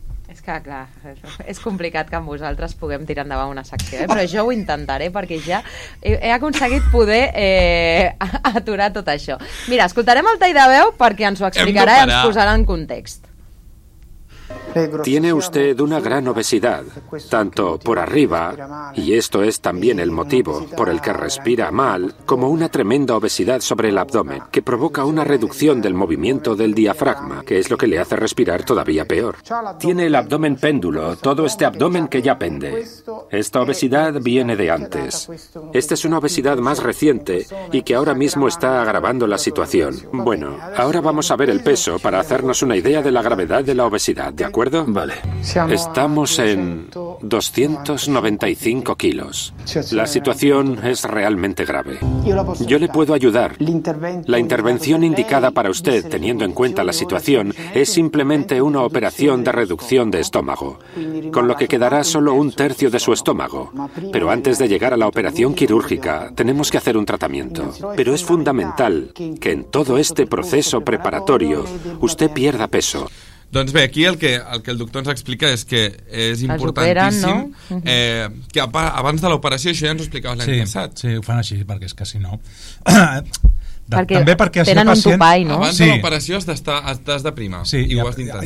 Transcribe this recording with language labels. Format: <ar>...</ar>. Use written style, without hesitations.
<ca>És que, clar, és complicat que amb vosaltres puguem tirar endavant una secció, eh? Però jo ho intentaré perquè ja he aconseguit poder aturar tot això. Mira, escoltarem el tall de veu perquè ens ho explicarà i ens posarà en context.</ca> <es>Tiene usted una gran obesidad, tanto por arriba, y esto es también el motivo por el que respira mal, como una tremenda obesidad sobre el abdomen, que provoca una reducción del movimiento del diafragma, que es lo que le hace respirar todavía peor. Tiene el abdomen péndulo, todo este abdomen que ya pende. Esta obesidad viene de antes. Esta es una obesidad más reciente y que ahora mismo está agravando la situación. Bueno, ahora vamos a ver el peso para hacernos una idea de la gravedad de la obesidad. ¿De acuerdo? Vale. Estamos en 295 kilos. La situación es realmente grave. Yo le puedo ayudar. La intervención indicada para usted, teniendo en cuenta la situación, es simplemente una operación de reducción de estómago, con lo que quedará solo un tercio de su estómago. Pero antes de llegar a la operación quirúrgica, tenemos que hacer un tratamiento. Pero es fundamental que en todo este proceso preparatorio usted pierda peso.</es> <ca>Doncs bé, aquí el que el doctor ens explica és que és importantíssim, operen, no? Que abans de l'operació, això ja ens ho explicaves l'any passat. Sí, ho fan així perquè és que si no... perquè també perquè tenen un pacient, topall, no? Abans sí. De l'operació estàs de prima, sí, i ho has d'intentar.</ca>